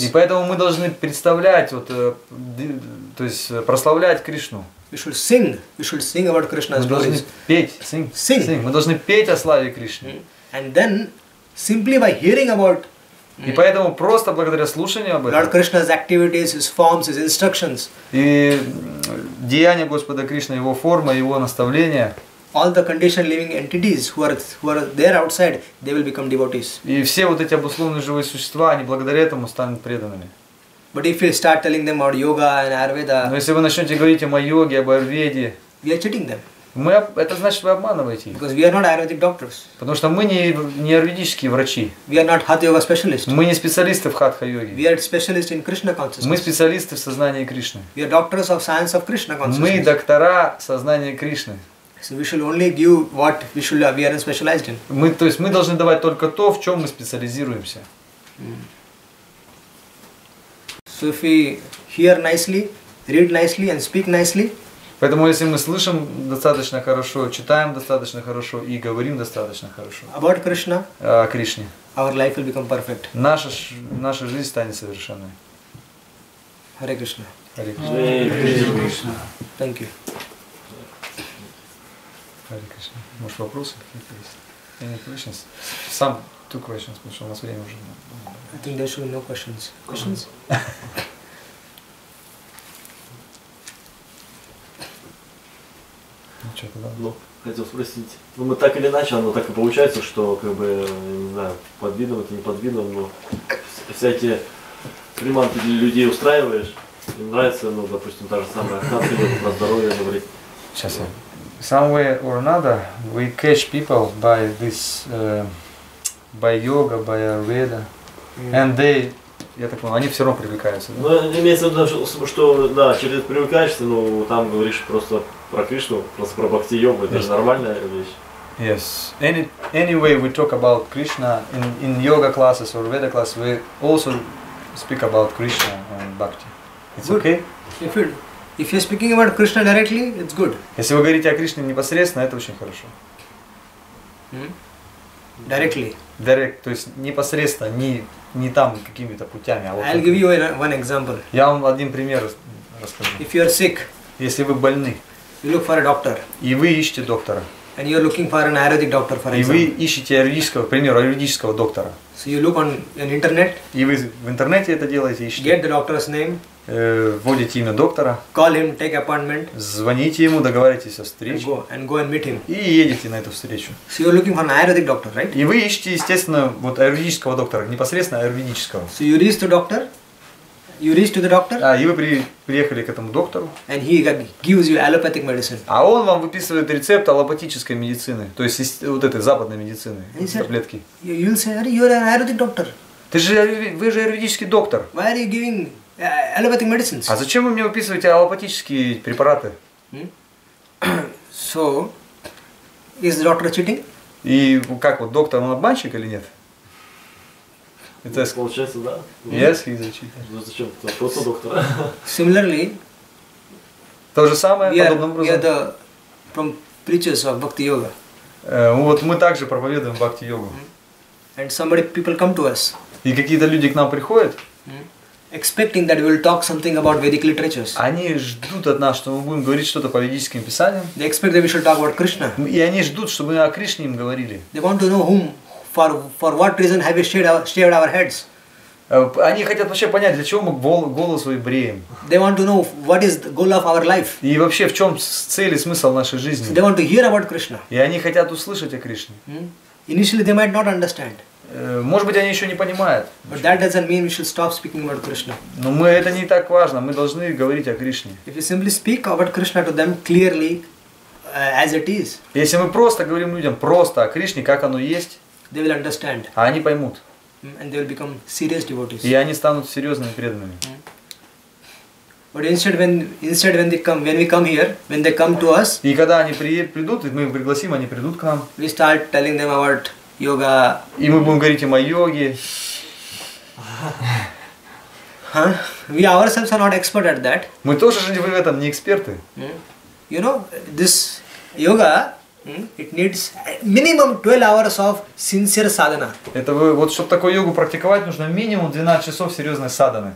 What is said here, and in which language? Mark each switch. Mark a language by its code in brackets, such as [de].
[ru] И поэтому мы должны представлять вот, то есть прославлять Кришну. [en] We should sing about Krishna's glories. [ru] Мы должны петь о славе Кришны. [en] And then simply by hearing about. [ru] И поэтому просто благодаря слушанию об этом. [en] Lord Krishna's activities, his forms, his instructions. [ru] И деяния Господа Кришны, его форма, его наставления. [en] All the conditioned living entities who are there outside, they will become devotees. [ru] И все вот эти обусловленные живые существа, они благодаря этому станут преданными. [en] But if you start telling them about yoga and Ayurveda. [ru] Но если вы начнете говорить о йоге, об Айурведе. [en] We are cheating them. [ru] Это значит, вы обманываете их. [en] Because we are not Ayurvedic doctors. [ru] Потому что мы не аюрведические врачи. [en] We are not Hatha Yoga specialists. [ru] Мы не специалисты в Хатха Йоге. [en] We are specialists in Krishna consciousness. [ru] Мы специалисты в сознании Кришны. [en] We are doctors of science of Krishna consciousness. [ru] Мы доктора сознания Кришны. [en] So we should only give what we should we are specialized in. [ru] Мы, то есть мы должны давать только то, в чем мы специализируемся. [en] So if we hear nicely, read nicely and speak nicely. [ru] Поэтому если мы слышим достаточно хорошо, читаем достаточно хорошо и говорим достаточно хорошо. [en] About Krishna. [ru] О Кришне. [en] Our life will become perfect. [ru] Наша жизнь станет совершенной. [en] Hare Krishna. Hare Krishna. Hare Krishna. Thank you. [ru] Может, вопросы какие-то есть? [en] Any questions? Some two questions, [ru] потому что у нас время уже. [en] I think there should be no questions. Questions? [ru] Ну, что тогда? Ну, хотел спросить. Ну, мы так или иначе, оно так и получается, что, как бы, не знаю, под видом это, не под видом, но всякие приманки для людей устраиваешь, им нравится, ну, допустим, та же самая хатха, про здоровье говорить. Сейчас я. [en] Some way or another, we catch people by this, by yoga, by Ayurveda, and they, [ru] я так понял, они все равно привлекаются, да? Ну, имеется в виду, что, да, через привлекаешься, ну, там говоришь просто про Кришну, просто про бхакти-йогу, это yes. Же нормальная вещь. [en] Yes, any way we talk about Krishna, in yoga classes or Veda classes, we also speak about Krishna and bhakti. It's good. Okay? If you do. If you're speaking about Krishna directly, it's good. [ru] Если вы говорите о Кришне непосредственно, это очень хорошо. [en] Directly. [ru] Direct, то есть непосредственно, не там какими-то путями, а вот. [en] I'll give you one example. [ru] Я вам один пример расскажу. [en] If you're sick. [ru] Если вы больны. [en] You look for a doctor. [ru] И вы ищете доктора. [en] And you're looking for an Ayurvedic doctor, for example. [ru] И вы ищете аюрведического, к примеру, аюрведического доктора. [en] So you look on an internet. [ru] И вы в интернете это делаете, ищете. [en] Get the doctor's name. [ru] Вводите имя доктора. [en] Call him, take appointment. [ru] Звоните ему, договаривайтесь о встрече. [en] And go and meet him. [ru] И едете на эту встречу. [en] So you're looking for an Ayurvedic doctor, right? [ru] И вы ищете, естественно, вот аюрведического доктора, непосредственно аюрведического. [en] So you reach the doctor. You reach to the doctor. [ru] А, и вы приехали к этому доктору. [en] And he gives you allopathic medicine. [ru] А он вам выписывает рецепт аллопатической медицины, то есть вот этой западной медицины, таблетки. [en] You'll say, you're an Ayurvedic doctor. [ru] Ты же, вы же аюрведический доктор. [en] Why are you giving allopathic medicines? [ru] А зачем вы мне выписываете аллопатические препараты? [en] So, is the doctor cheating? [ru] И как вот, доктор, он обманщик или нет? Это well, получается, да. [en] Yes, he's a cheater. [ru] Ну зачем? Просто доктор. [en] Similarly. [ru] То же самое, подобным образом. [en] We are the from preachers of Bhakti Yoga. [ru] Вот мы также проповедуем Бхакти Йогу. [en] And somebody people come to us. [ru] И какие-то люди к нам приходят. [en] Expecting that we will talk something about Vedic literatures. [ru] Они ждут от нас, что мы будем говорить что-то по ведическим писаниям. [en] They expect that we should talk about Krishna. [ru] И они ждут, чтобы мы о Кришне им говорили. [en] They want to know whom, for what reason have we shaved our heads? [ru] Они хотят вообще понять, для чего мы голову свою бреем. [en] They want to know what is the goal of our life. [ru] И вообще, в чем цель и смысл нашей жизни. [en] They want to hear about Krishna. [ru] И они хотят услышать о Кришне. [en] Initially they might not understand. [ru] Может быть, они еще не понимают. [en] But that doesn't mean we should stop speaking about Krishna. [ru] Но мы, это не так важно. Мы должны говорить о Кришне. [en] If you simply speak about Krishna to them clearly, as it is. [ru] Если мы просто говорим людям просто о Кришне, как оно есть. [en] They will understand. [ru] А они поймут. [en] And they will become serious devotees. [ru] И они станут серьезными преданными. [en] But instead when they come, when we come here, when they come to us. [ru] И когда они придут, мы их пригласим, они придут к нам. [en] We start telling them about yoga. [ru] И мы будем говорить им о йоге. Huh? [en] We ourselves are not expert at that. [ru] Мы тоже же в этом не эксперты. [en] You know, this yoga. It needs minimum 12 hours of sincere sadhana. [ru] Это вы, вот чтобы такую йогу практиковать, нужно минимум 12 часов серьезной садханы.